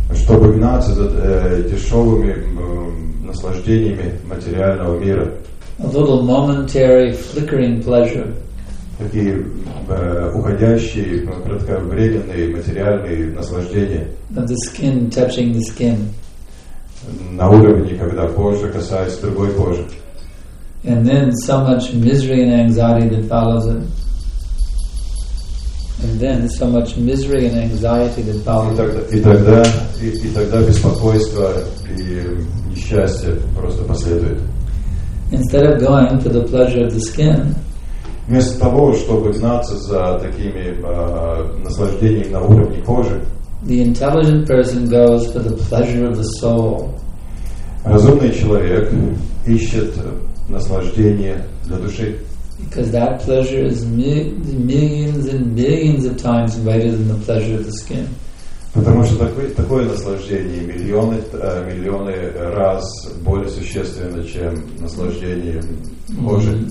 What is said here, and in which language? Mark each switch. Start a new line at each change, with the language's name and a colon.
Russian: Чтобы гнаться за дешевыми наслаждениями материального мира.
English: A little momentary flickering pleasure.
Russian: Такие уходящие кратковременные материальные наслаждения.
English: Of the skin touching the skin.
Russian: На уровне, когда кожа касается другой кожи.
English: And then so much misery and anxiety that follows it. And then so much misery and anxiety that follows.
Russian: И тогда беспокойство и несчастье просто последует.
English: Instead of going for the pleasure of the skin.
Russian: Вместо того, чтобы гнаться за такими наслаждениями на уровне кожи.
English: The intelligent person goes for the pleasure of the soul.
Russian: Разумный человек ищет наслаждение для души.
English: Because that pleasure is millions and millions of times greater than the pleasure of the skin.
Russian: Потому что такое наслаждение миллионы раз более существенно, чем наслаждение кожи.